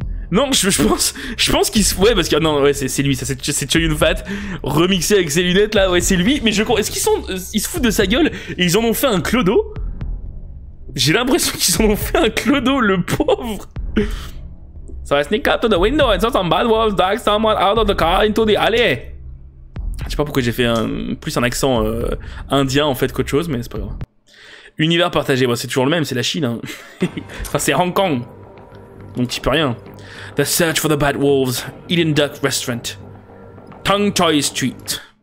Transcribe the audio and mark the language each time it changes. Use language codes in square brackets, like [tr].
[fr] Non, je pense qu'il se... Ouais, parce que... Non, ouais, c'est lui, ça, c'est Choyun Fat, remixé avec ses lunettes, là, ouais, c'est lui, mais je crois... Est-ce qu'ils sont... Ils se foutent de sa gueule et ils en ont fait un clodo? J'ai l'impression qu'ils en ont fait un clodo, le pauvre. [en] So I sneak out to the window and saw some bad wolves drag someone out of the car into the alley. [fr] Je sais pas pourquoi j'ai fait plus un accent indien en fait qu'autre chose, mais c'est pas grave. Univers partagé, bon, c'est toujours le même, c'est la Chine. Hein. Enfin, c'est Hong Kong. Donc tu peux rien. [en] The search for the bad wolves. Eden Duck Restaurant. Tung Choi Street.